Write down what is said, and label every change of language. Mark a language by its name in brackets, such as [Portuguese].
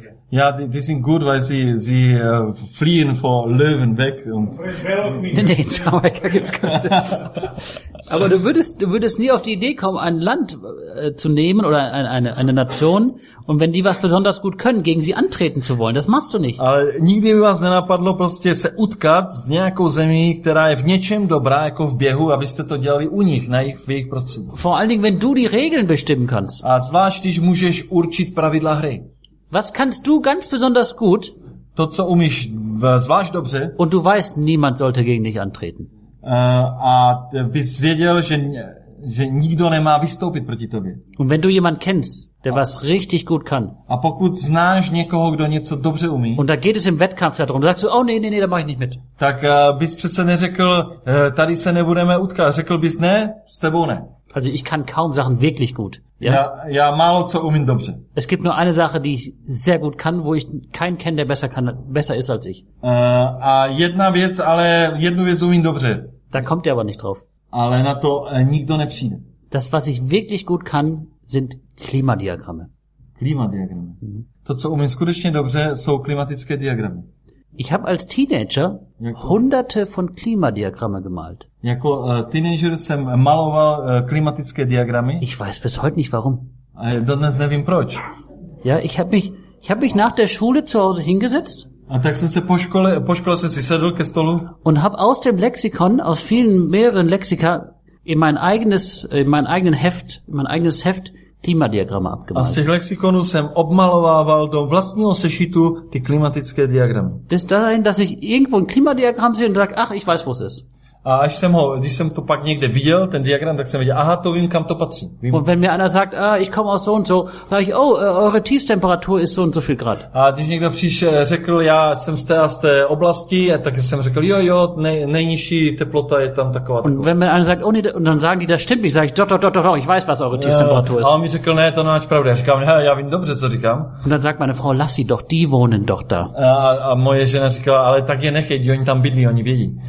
[German] Ja, die sind gut, weil sie fliehen vor Löwen weg und. Nee, in Jamaika gibt's keine. Aber du würdest nie auf die Idee kommen, ein Land zu nehmen oder eine Nation und wenn die was besonders gut können, gegen sie antreten zu wollen. Das machst du nicht. [Czech] Ale nikdy by vás nenapadlo prostě se utkat s nějakou zemí, která je v něčem dobrá, jako v běhu, abyste to dělali u nich, na jejich prostředí. [German] Vor allen Dingen, wenn du die Regeln bestimmen kannst. [Czech] A zvlášť, když můžeš určit pravidla hry. [German] Was kannst du ganz besonders gut? [Czech] To, co umíš zvlášť dobře. [German] Und du weißt, niemand sollte gegen dich antreten. [Czech] A bys věděl, že nikdo nemá vystoupit proti tobě. [German] Und wenn du jemand kennst, der was richtig gut kann. [Czech] A pokud znáš někoho, kdo něco dobře umí. [German] Und da geht es im Wettkampf darum. Du sagst, oh nee, da mach ich nicht mit. [Czech] Tak bys přece neřekl, tady se nebudeme utkat. Řekl bys ne, s tebou ne. [German] Also ich kann kaum Sachen wirklich gut. [Czech] Ja, málo co umím dobře. [German] Es gibt nur eine Sache, die ich sehr gut kann, wo ich keinen kenne, der besser ist als ich. [Czech] A jedna věc, ale jednu věc umím dobře. [German] Da kommt ihr aber nicht drauf. [Czech] Ale na to nikdo nepřijde. [German] Das, was ich wirklich gut kann, sind Klimadiagramme. Klimadiagramme. [Czech] To, co umím skutečně dobře, jsou klimatické diagramy. [German] Ich habe als Teenager hunderte von Klimadiagramme gemalt. [Czech] Jako teenager jsem maloval klimatické diagramy. [German] Ich weiß bis heute nicht warum. [Czech] Dodnes nevím proč. [German] Ja, ich habe mich nach der Schule zu Hause hingesetzt. [Czech] A tak jsem se po škole jsem si sedl ke stolu. [German] Und habe aus dem Lexikon, aus vielen mehreren Lexika in mein eigenes Heft Klimadiagramme abgemalt. [Czech] A z těch lexikonů jsem obmalovával do vlastního sešitu ty klimatické diagramy. [German] Das dahin, dass ich irgendwo ein Klimadiagramm sehe und sage, ach, ich weiß, wo es ist. [Czech] A až jsem ho, když jsem to pak někde viděl, ten diagram, tak jsem viděl, aha, to vím, kam to patří. Vím. [German] Und wenn mir einer sagt, ah, ich komme aus so und so, sage ich, oh, eure Tiefstemperatur ist so und so viel Grad. [Czech] A když někdo řekl, já jsem z té oblasti, tak jsem řekl, jo, nejnižší teplota je tam taková. [German] Und wenn mir einer sagt, oh, nee, und dann sagen die, das stimmt nicht, sage ich, doch, ich weiß, was eure Tiefstemperatur ist. [Czech] A on mi řekl, ne, to nemáš pravdu, já říkám, já vím dobře, co říkám. [German] Und dann sagt meine Frau, lass sie doch, die wohnen doch da. [Czech] A moje žena říkala, ale tak je nechej, oni tam bydlí, oni vědí.